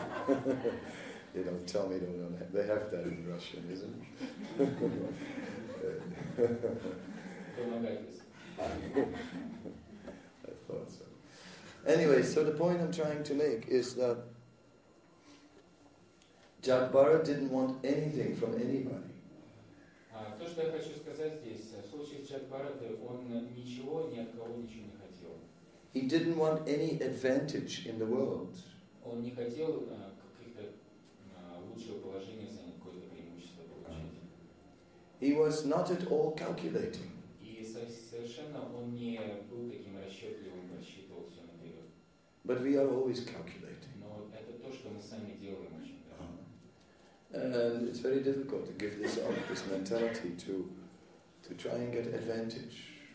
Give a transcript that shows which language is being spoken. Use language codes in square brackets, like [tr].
[en] You know, tell me they have that in Russian, isn't it? I thought so. Anyway, so the point I'm trying to make is that Jagbara didn't want anything from anybody. [ru] То, что я хочу сказать здесь, в случае с Джагбарати, он ничего, ни от кого ничего не хотел. [en] He didn't want any advantage in the world. [ru] Он не хотел каких-то лучшего положения, занять какое-то преимущество получить. [en] He was not at all calculating. [ru] И совершенно он не был таким расчетливым, рассчитывал все наперед. [en] But we are always calculating. [ru] Но это то, что мы сами делаем очень. [en] And it's very difficult to give this up, this mentality, to try and get advantage.